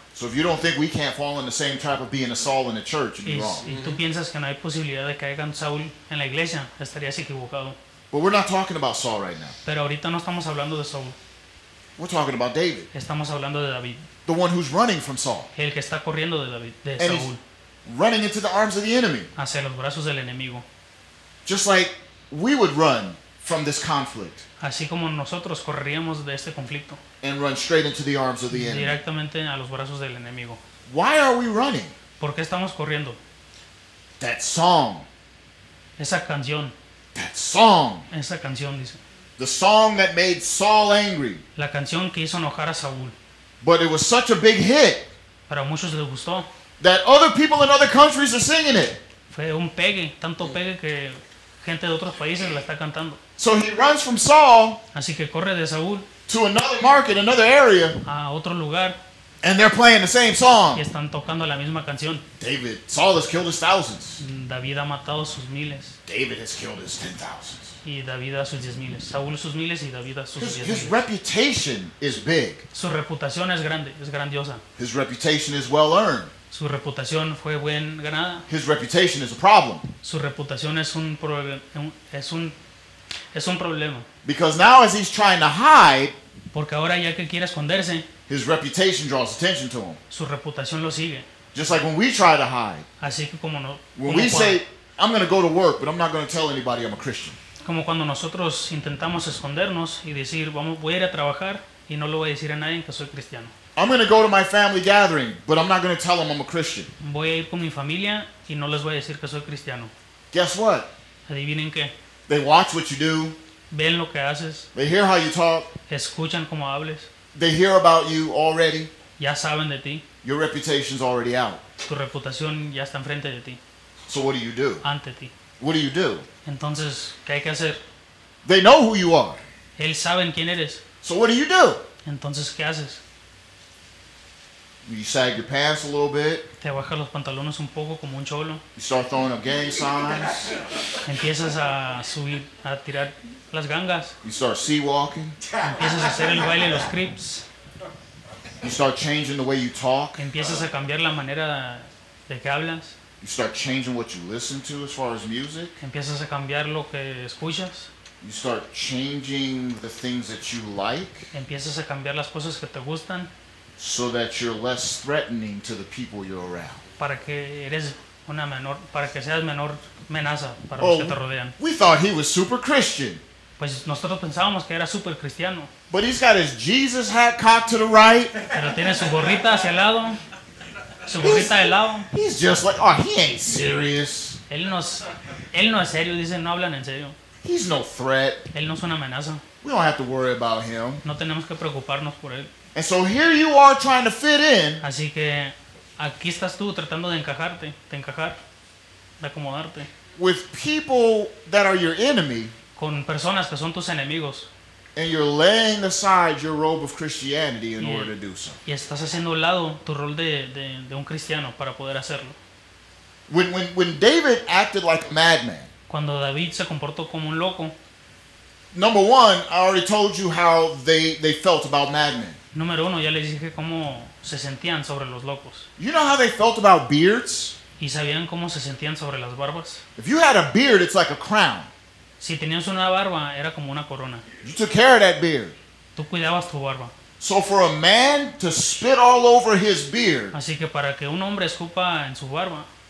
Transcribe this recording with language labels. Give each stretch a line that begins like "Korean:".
English: So if you don't think we can't fall in the same trap of being a Saul in the church, you're wrong.
Spanish: Y tú piensas que no hay posibilidad de caer en Saúl en la iglesia, estarías equivocado.
English: But we're not talking about Saul right now.
Spanish: Pero ahorita no estamos hablando de Saúl.
English: We're talking about David.
Spanish: Estamos hablando de David.
English: The one who's running from Saul.
Spanish: El que está corriendo de David, de Saúl.
English: And he's running into the arms of the enemy.
Spanish: Hacia los brazos del enemigo.
English: Just like we would run from this conflict.
Spanish: Así como nosotros correríamos de este conflicto.
English: And run straight into the arms of the enemy.
Spanish: Directamente a los brazos del enemigo.
English: Why are we running?
Spanish: ¿Por qué estamos corriendo?
English: That song.
Spanish: Esa canción.
English: That song.
Spanish: Esa canción dice.
English: The song that made Saul angry.
Spanish: La canción que hizo enojar a Saúl.
English: But it was such a big hit.
Spanish: Para muchos les gustó.
English: That other people in other countries are singing it.
Spanish: Fue un pegue, tanto pegue que gente de otros países la está cantando.
English: So he runs from Saul.
Spanish: Así que corre de Saúl.
English: To another market, another area.
Spanish: A otro lugar.
English: And they're playing the same song.
Spanish: Y están tocando la misma canción.
English: David, Saul has killed his thousands.
Spanish: David ha matado sus miles.
English: David has killed his 10,000.
Spanish: Y David a sus 10,000. Saúl sus miles y David a sus 10,000.
English: His reputation is big.
Spanish: Su reputación es grande, es grandiosa.
English: His reputation is well earned.
Spanish: Su reputación fue bien ganada.
English: His reputation is a problem.
Spanish: Su reputación es un problema.
English: Because now as he's trying to hide,
Spanish: porque ahora ya que quiere esconderse,
English: his reputation draws attention to him.
Spanish: Su reputación lo sigue.
English: Just like when we try to hide.
Spanish: Así que como no,
English: when
Spanish: como
English: we say, I'm going to go to work, but I'm not going to tell anybody I'm a Christian.
Spanish: Como cuando nosotros intentamos escondernos y decir, vamos, voy a ir a trabajar y no lo voy a decir a nadie que soy cristiano.
English: I'm going to go to my family gathering, but I'm not going to tell them I'm a Christian.
Spanish: Voy a ir con mi familia y no les voy a decir que soy cristiano.
English: Guess what?
Spanish: Adivinen qué.
English: They watch what you do.
Spanish: Ven lo que haces.
English: They hear how you talk.
Spanish: Escuchan cómo hables.
English: They hear about you already.
Spanish: Ya saben de ti.
English: Your reputation's already out.
Spanish: Tu reputación ya está enfrente de ti.
English: So what do you do?
Spanish: Ante ti.
English: What do you do?
Spanish: Entonces, ¿qué hay que hacer?
English: They know who you are.
Spanish: Ellos saben quién eres.
English: So what do?
Spanish: Entonces, ¿qué haces?
English: You sag your pants a little bit.
Spanish: Te bajas los pantalones un poco como un cholo.
English: You start throwing up gang signs.
Spanish: Empiezas a subir, a tirar las gangas.
English: You start sea walking.
Spanish: Empiezas a hacer el baile de los Crips.
English: You start changing the way you talk.
Spanish: Empiezas a cambiar la manera de que hablas.
English: You start changing what you listen to as far as music.
Spanish: Empiezas a cambiar lo que escuchas.
English: You start changing the things that you like.
Spanish: Empiezas a cambiar las cosas que te gustan.
English: So that you're less threatening to the people you're around.
Spanish: Para que eres una menor, para que seas menor amenaza para los que te rodean.
English: We thought he was super Christian.
Spanish: Pues nosotros pensábamos que era super cristiano.
English: But he's got his Jesus hat cocked to the right.
Spanish: Pero tiene su gorrita hacia el lado.
English: He's just like, oh, he ain't serious.
Spanish: Él no es serio, dicen, no hablan en serio.
English: He's no threat.
Spanish: Él no es una amenaza.
English: We don't have to worry about him.
Spanish: No tenemos que preocuparnos por él.
English: And so here you are trying to fit in.
Spanish: Así que aquí estás tú tratando de encajarte, de encajar, de acomodarte.
English: With people that are your enemy.
Spanish: Con personas que son tus enemigos.
English: And you're laying aside your robe of Christianity in order to do so.
Spanish: Y estás haciendo a lado tu rol de un cristiano para poder hacerlo.
English: When David acted like a madman.
Spanish: Cuando David se comportó como un loco.
English: Number one, I already told you how they felt about madmen.
Spanish: Número uno, ya les dije cómo se sentían sobre los locos.
English: You know how they felt about beards?
Spanish: ¿Y sabían cómo se sentían sobre las barbas?
English: If you had a beard, it's like a crown.
Spanish: Si tenías una barba, era como una corona.
English: You took care of that beard.
Spanish: Tú cuidabas tu barba.
English: So for a man to spit all over his beard.
Spanish: Así que para que un hombre escupa en su barba.